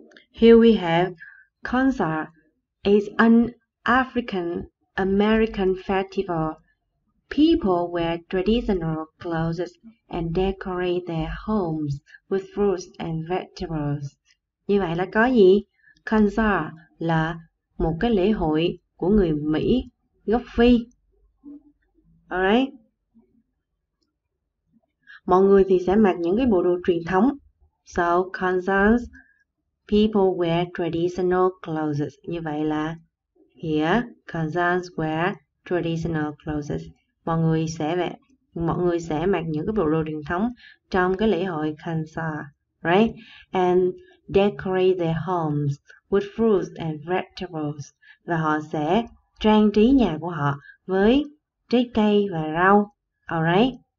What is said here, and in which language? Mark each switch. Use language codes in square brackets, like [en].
[en] Here we have Kwanzaa is an African-American festival. People wear traditional clothes and decorate their homes with fruits and vegetables. [vi] Như vậy là có gì? Kwanzaa là một cái lễ hội của người Mỹ gốc Phi. [en] Alright? [vi] Mọi người thì sẽ mặc những cái bộ đồ truyền thống. [en] So, Kwanzaa, people wear traditional clothes. [vi] Như vậy là [en] here, Kwanzaa wear traditional clothes. [vi] Mọi người sẽ mặc những cái bộ đồ truyền thống trong cái lễ hội Kwanzaa, [en] right? And decorate their homes with fruits and vegetables. [vi] Và họ sẽ trang trí nhà của họ với trái cây và rau, [en] all right?